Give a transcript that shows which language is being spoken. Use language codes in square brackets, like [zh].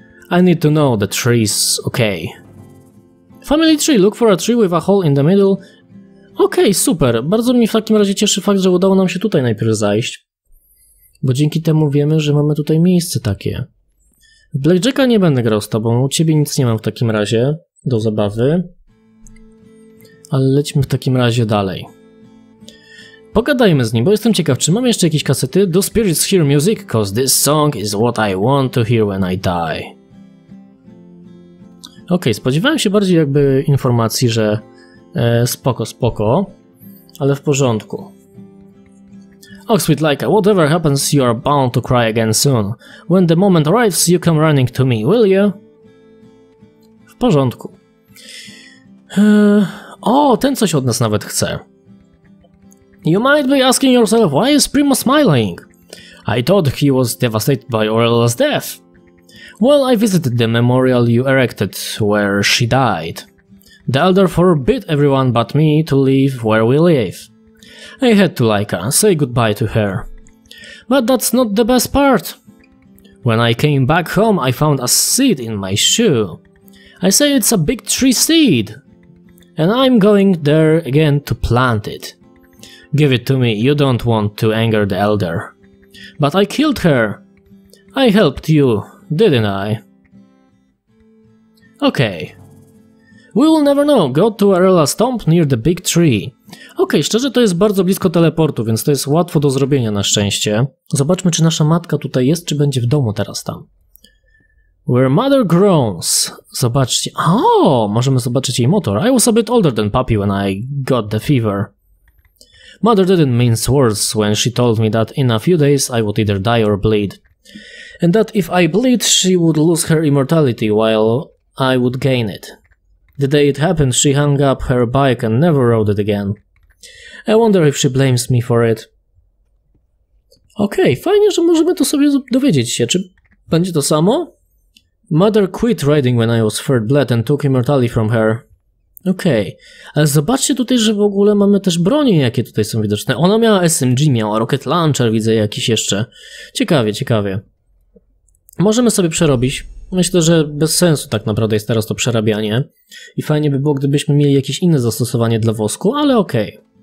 [en] I need to know the tree's okay. Family tree, look for a tree with a hole in the middle. [pl] Okej, super, bardzo mi w takim razie cieszy fakt, że udało nam się tutaj najpierw zajść. Bo dzięki temu wiemy, że mamy tutaj miejsce takie. Blackjacka nie będę grał z tobą, u ciebie nic nie mam w takim razie do zabawy. Ale lećmy w takim razie dalej. Pogadajmy z nim, bo jestem ciekaw, czy mam jeszcze jakieś kasety? [en] Do spirits hear music? Cause this song is what I want to hear when I die. [pl] Okej, spodziewałem się bardziej jakby informacji, że spoko, ale w porządku. [en] Oh, sweet Laika, whatever happens, you are bound to cry again soon. When the moment arrives, you come running to me, will you? [pl] W porządku. O, ten coś od nas nawet chce. [en] You might be asking yourself, why is Primo smiling? I thought he was devastated by Aurelia's death. Well, I visited the memorial you erected where she died. The elder forbid everyone but me to leave where we live. I had to, Laika, say goodbye to her. But that's not the best part. When I came back home, I found a seed in my shoe. I say it's a big tree seed. And I'm going there again to plant it. Give it to me, you don't want to anger the elder. But I killed her. I helped you, didn't I? Okay. We will never know, go to Arella's tomb near the big tree. [pl] Okej, szczerze to jest bardzo blisko teleportu, więc to jest łatwo do zrobienia na szczęście. Zobaczmy, czy nasza matka tutaj jest, czy będzie w domu teraz tam. [en] Where mother groans. [pl] Zobaczcie. O, możemy zobaczyć jej motor. [en] I was a bit older than puppy when I got the fever. Mother didn't mince words when she told me that in a few days I would either die or bleed. And that if I bleed, she would lose her immortality while I would gain it. The day it happened, she hung up her bike and never rode it again. I wonder if she blames me for it. [pl] Okej, fajnie, że możemy to sobie dowiedzieć się. Czy będzie to samo? [en] Mother quit riding when I was third blood and took immortality from her. [pl] Okej, ale zobaczcie tutaj, że w ogóle mamy też broni, jakie tutaj są widoczne. Ona miała SMG, miała rocket launcher, widzę jakiś jeszcze. Ciekawie. Możemy sobie przerobić. Myślę, że bez sensu tak naprawdę jest teraz to przerabianie. I fajnie by było, gdybyśmy mieli jakieś inne zastosowanie dla wosku, ale okej.